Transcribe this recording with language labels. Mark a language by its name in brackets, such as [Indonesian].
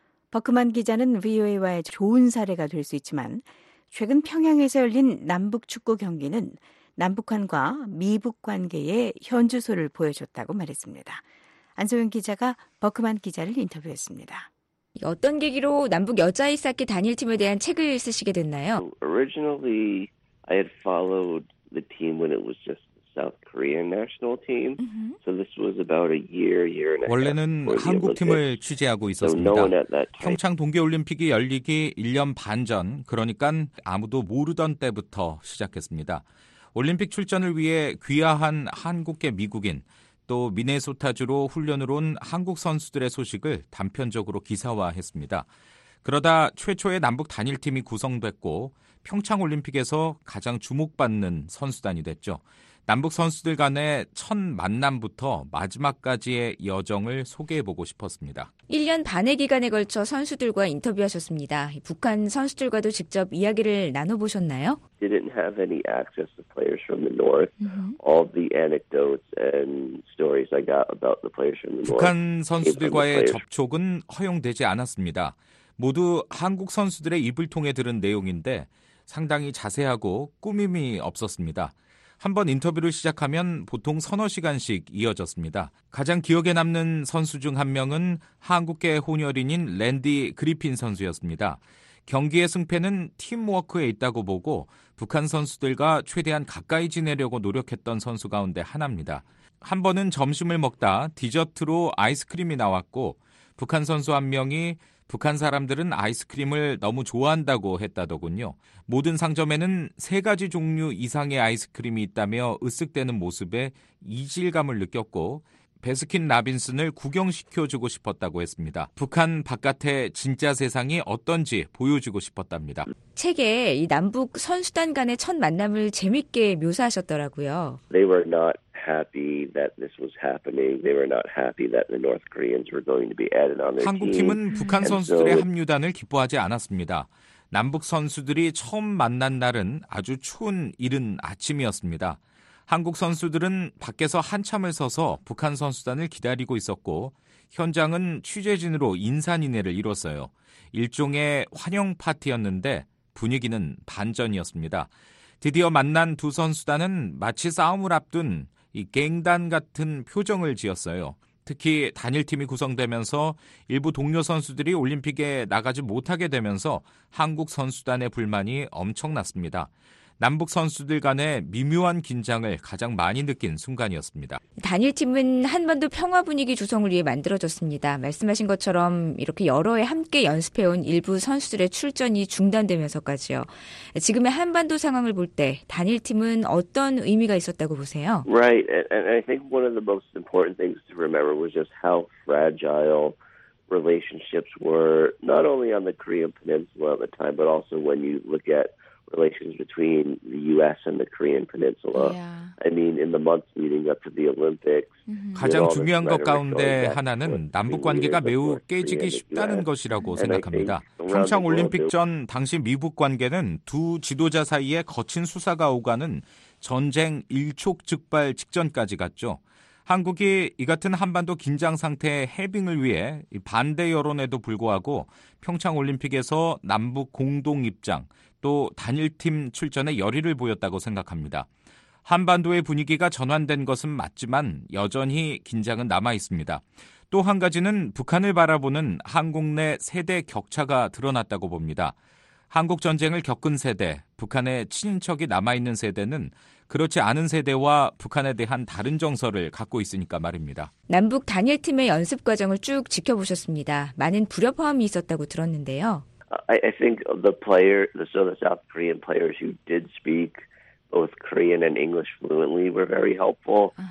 [Korean] 버크만 기자는 VOA와의 좋은 사례가 될 수 있지만 최근 평양에서 열린 남북축구 경기는 남북한과 미북 관계의 현주소를 보여줬다고 말했습니다. 안소영 기자가 버크만 기자를 인터뷰했습니다. 어떤 계기로 남북 여자아이스하키 단일팀에 대한 책을 쓰시게 됐나요? [English] Originally, I had followed the team when it was just South Korean national team. So this was about a year, year and a half. [Korean] 원래는 한국 팀을 취재하고 있었습니다. 평창 동계 올림픽이 열리기 1년 반 전, 그러니까 아무도 모르던 때부터 시작했습니다. 올림픽 출전을 위해 귀화한 한국계 미국인, 또 미네소타주로 훈련을 온 한국 선수들의 소식을 단편적으로 기사화했습니다. 그러다 최초의 남북 단일팀이 구성됐고 평창 올림픽에서 가장 주목받는 선수단이 됐죠. 남북 선수들 간의 첫 만남부터 마지막까지의 여정을 소개해보고 싶었습니다. 1년 반의 기간에 걸쳐 선수들과 인터뷰하셨습니다. 북한 선수들과도 직접 이야기를 나눠보셨나요? [English] Didn't have any access to players from the north. All the anecdotes and stories I got about the players from the north. [Korean] 북한 선수들과의 접촉은 허용되지 않았습니다. 모두 한국 선수들의 입을 통해 들은 내용인데 상당히 자세하고 꾸밈이 없었습니다. 한번 인터뷰를 시작하면 보통 서너 시간씩 이어졌습니다. 가장 기억에 남는 선수 중 한 명은 한국계 혼혈인인 랜디 그리핀 선수였습니다. 경기의 승패는 팀워크에 있다고 보고 북한 선수들과 최대한 가까이 지내려고 노력했던 선수 가운데 하나입니다. 한 번은 점심을 먹다 디저트로 아이스크림이 나왔고 북한 선수 한 명이 북한 사람들은 아이스크림을 너무 좋아한다고 했다더군요. 모든 상점에는 세 가지 종류 이상의 아이스크림이 있다며 으쓱대는 모습에 이질감을 느꼈고 배스킨 라빈슨을 구경시켜주고 싶었다고 했습니다. 북한 바깥의 진짜 세상이 어떤지 보여주고 싶었답니다. 책에 이 남북 선수단 간의 첫 만남을 재밌게 묘사하셨더라고요. [English] They were not happy that this was happening. They were not happy that the North Koreans were going to be added on their team. [Korean] 한국 팀은 북한 선수들의 합류단을 기뻐하지 않았습니다. 남북 선수들이 처음 만난 날은 아주 추운 이른 아침이었습니다. 한국 선수들은 밖에서 한참을 서서 북한 선수단을 기다리고 있었고 현장은 취재진으로 인산인해를 이뤘어요. 일종의 환영 파티였는데 분위기는 반전이었습니다. 드디어 만난 두 선수단은 마치 싸움을 앞둔 이 갱단 같은 표정을 지었어요. 특히 단일팀이 구성되면서 일부 동료 선수들이 올림픽에 나가지 못하게 되면서 한국 선수단의 불만이 엄청났습니다. 남북 선수들 간의 미묘한 긴장을 가장 많이 느낀 순간이었습니다. 단일팀은 한반도 평화 분위기 조성을 위해 만들어졌습니다. 말씀하신 것처럼 이렇게 여러 해 함께 연습해온 일부 선수들의 출전이 중단되면서까지요. 지금의 한반도 상황을 볼 때 단일팀은 어떤 의미가 있었다고 보세요? [English] Right, and I think one of the most important things to remember was just how fragile relationships were, not only on the Korean Peninsula at the time, but also when you look at relations between the U.S. and the Korean Peninsula. Yeah. I mean, in the months leading up to the Olympics, mm-hmm. [Korean] 가장 중요한 것 가운데 하나는 남북 관계가 매우 깨지기 쉽다는 것이라고 생각합니다. 평창 올림픽 전 당시 미북 관계는 두 지도자 사이에 거친 수사가 오가는 전쟁 일촉즉발 직전까지 갔죠. 한국이 이 같은 한반도 긴장 상태의 해빙을 위해 반대 여론에도 불구하고 평창 올림픽에서 남북 공동 입장 또 단일팀 출전에 열의를 보였다고 생각합니다. 한반도의 분위기가 전환된 것은 맞지만 여전히 긴장은 남아있습니다. 또 한 가지는 북한을 바라보는 한국 내 세대 격차가 드러났다고 봅니다. 한국 전쟁을 겪은 세대, 북한의 친인척이 남아있는 세대는 그렇지 않은 세대와 북한에 대한 다른 정서를 갖고 있으니까 말입니다. 남북 단일팀의 연습 과정을 쭉 지켜보셨습니다. 많은 불협화음이 있었다고 들었는데요. [English] I think the player, so the South Korean players who did speak both Korean and English fluently were very helpful.